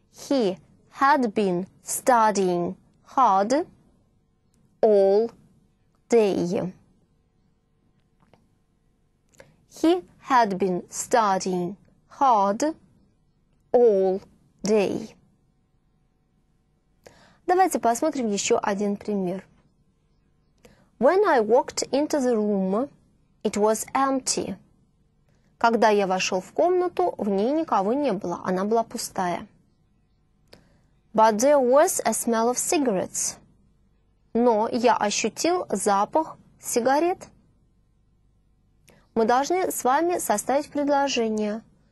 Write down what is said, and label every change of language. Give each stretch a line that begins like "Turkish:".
English: He had been studying hard all day. He had been studying hard all day.
Russian: Давайте посмотрим еще один пример.
English: When I walked into the room, it was empty.
Russian: Когда я вошел в комнату, в ней никого не было, она была пустая.
English: But there was a smell of cigarettes.
Russian: Но я ощутил запах сигарет. Мы должны с вами составить предложение.